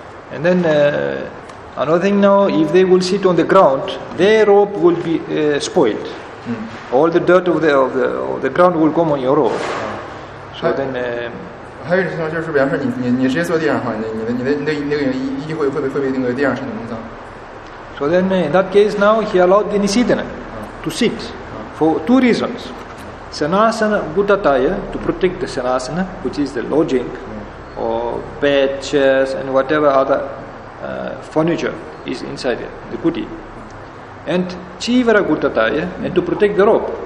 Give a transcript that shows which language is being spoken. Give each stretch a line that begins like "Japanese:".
English: Another thing now, if they will sit on the ground, their robe will be spoiled. All the dirt of the ground will come on your robe. So then,
Chinese: 还有一种情况就是，比方说你直接坐地上的话，你的衣会被那个地上弄脏。
English: So then, in that case, now he allowed the Nisidana to sit for two reasons: Sanasana Buddhataya, to protect the Sanasana, which is the lodging or bed, chairs, and whatever other. Furniture is inside it, the kuti. And chivara gutataya, and to protect the robe.